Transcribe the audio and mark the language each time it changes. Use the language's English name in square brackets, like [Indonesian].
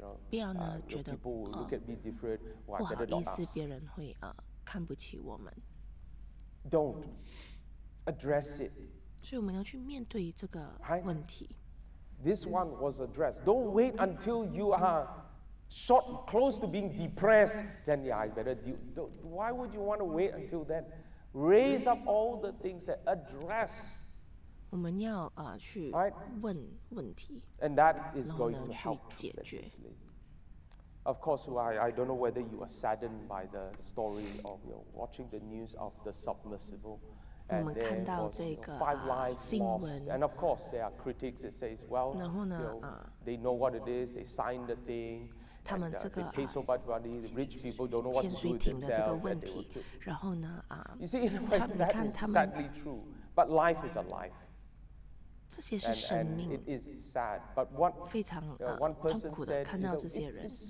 [Chinese] 不要呢，觉得不好意思，别人会看不起我们。 [English] Don't address it. [Chinese] 所以我们要去面对这个问题。 [English] This one was addressed. Don't wait until you are short, close to being depressed. Then yeah, I better do. Why would you want to wait until then? Raise up all the things that address. [Chinese] 我们要去问问题， [English] and that is [Chinese] 然后呢 [English] going to [Chinese] 去解决。 [English] Of course, I don't know whether you are saddened by the story of you know, watching the news of the submersible, and there was you know, five lives lost. And of course, there are critics that says, well, you know, they know what it is. They signed the thing. [Chinese] 他们这个签署艇的这个问题，然后呢 [English] You see, in a way, that is sadly true. But life is a life. [Chinese] 这些是生命，非常痛苦的看到这些人。